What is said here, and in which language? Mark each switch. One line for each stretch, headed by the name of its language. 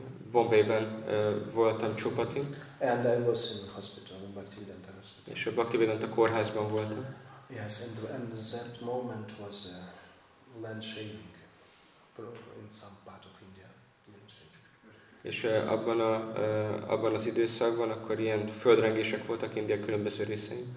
Hungarian: Bombayban voltam csopatin.
English: And I was in hospital, in Bhaktivedanta hospital.
Hungarian: És a Bhaktivedanta kórházban voltam.
English: Yes, and that moment was land shaving in some part of India.
Hungarian: És abban a abban az időszakban akkor ilyen földrengések voltak India különböző részein.